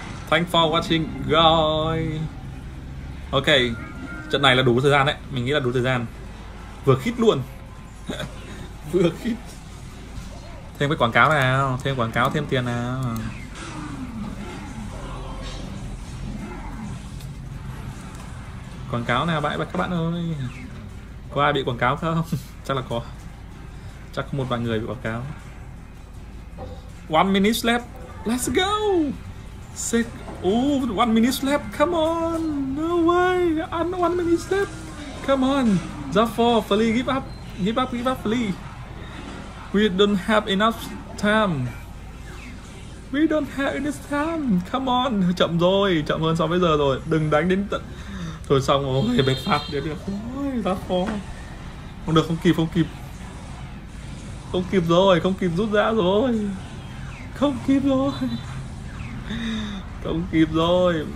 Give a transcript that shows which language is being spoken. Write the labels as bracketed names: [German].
[English] Thanks for watching guys. [Vietnamese] Ok, trận này là đủ thời gian đấy. Mình nghĩ là đủ thời gian. Vừa khít luôn. Vừa khít. Thêm cái quảng cáo nào, thêm quảng cáo, thêm tiền nào. Quảng cáo nào bãi các bạn ơi. Có ai bị quảng cáo không? Chắc là có. Chắc có một vài người bị quảng cáo. [English] 1 minute left. Let's go. Six. Oh, 1 minute left. Come on. No way. I'm 1 minute left. Come on. Zephyr, fully give up. Give up, fully. We don't have enough time. We don't have any time. Come on, [Vietnamese] chậm rồi, chậm hơn so với giờ rồi. Đừng đánh đến tận. Thôi xong rồi, bệnh phát đến được. Ôi, [English] that's for. [Vietnamese] Không được, không kịp, không kịp. Không kịp rồi, không kịp rút ra rồi. Không kịp rồi. Không kịp rồi.